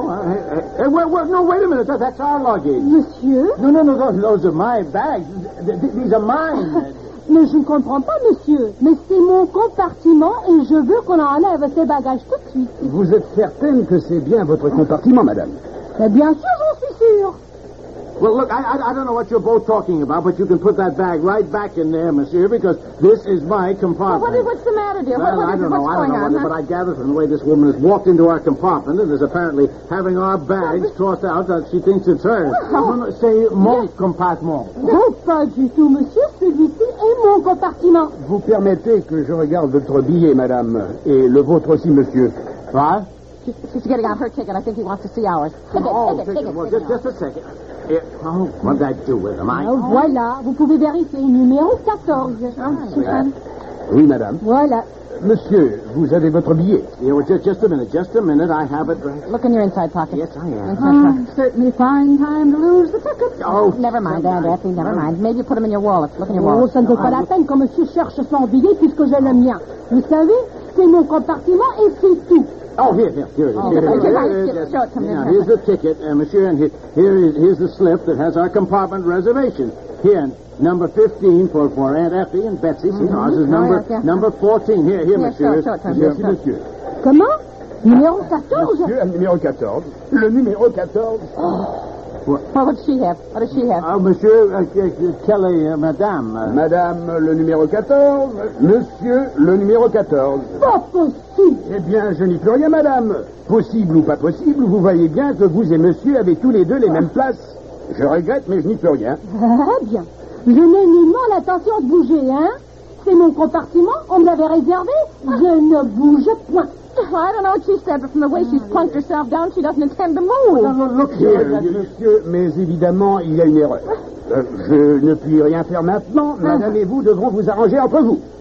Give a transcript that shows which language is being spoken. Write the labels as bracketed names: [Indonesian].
[English] I don't know. Hey, wait a minute. That's our luggage. [French] Monsieur? [English] No. Those are my bags. These are mine. [French] Mais je ne comprends pas, monsieur. Mais c'est mon compartiment et je veux qu'on enlève ces bagages tout de suite. Vous êtes certaine que c'est bien votre compartiment, madame? Mais bien sûr, j'en suis sûre. [English] Well, look, I don't know what you're both talking about, but you can put that bag right back in there, monsieur, because this is my compartment. Well, what's the matter, dear? I don't know, but I gather from the way this woman has walked into our compartment and is apparently having our bags tossed out that she thinks it's hers. Say, mon compartment. [French] Non, pas du tout, monsieur. Celui-ci est mon compartiment. Vous permettez que je regarde votre billet, madame, et le vôtre aussi, monsieur. Quoi? [English] She's getting out her ticket. I think he wants to see ours. Just a second. Oh, what'd that do with him? [French] Voilà. Vous pouvez vérifier numéro 14. Oui, madame. Voilà. Monsieur, vous avez votre billet. [English] Yeah, well, just a minute. I have it right. Look in your inside pocket. Yes, I am. Certainly fine time to lose the ticket. Oh, never mind, Aunt Effie, never mind. Maybe you put them in your wallet. Look in your wallet. [French] Oh, ça ne vaut pas la peine que monsieur cherche son billet puisque j'ai le mien. Vous savez, c'est mon compartiment et c'est tout. [English] Oh, here it is. Here's the ticket, monsieur, and here's the slip that has our compartment reservation. Here, number 15 for Aunt Effie and Betsy. See, ours is number 14. Here, monsieur. [French] Monsieur. Comment? Numéro 14? Monsieur, numéro 14. Le numéro 14. What would she have? What does she have? Monsieur, quelle est madame? Madame, le numéro 14. Monsieur, le numéro 14. Pas possible. Eh bien, je n'y peux rien, madame. Possible ou pas possible, vous voyez bien que vous et monsieur avez tous les deux les mêmes places. Je regrette, mais je n'y peux rien. Ah, bien. Je n'ai nullement l'intention de bouger, hein. C'est mon compartiment, on me l'avait réservé. Je ne bouge point. [English] Well, I don't know what she said, but from the way she's plunked herself down, she doesn't intend to move. Look here, [French] monsieur, mais évidemment, il y a une erreur. Je ne puis rien faire maintenant. Madame et vous devront vous arranger entre vous.